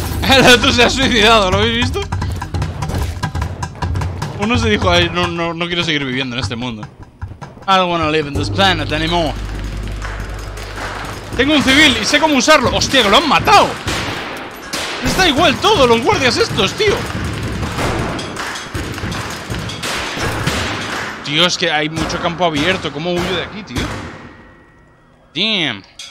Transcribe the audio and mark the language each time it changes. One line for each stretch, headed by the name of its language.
Spanish: El otro se ha suicidado, ¿lo habéis visto? Uno se dijo, ay, no, no, no quiero seguir viviendo en este mundo.
English: I don't wanna live in this planet anymore.
Spanish: Tengo un civil y sé cómo usarlo. ¡Hostia, que lo han matado! Les da igual todo, los guardias estos, tío. Tío, es que hay mucho campo abierto. ¿Cómo huyo de aquí, tío? Damn.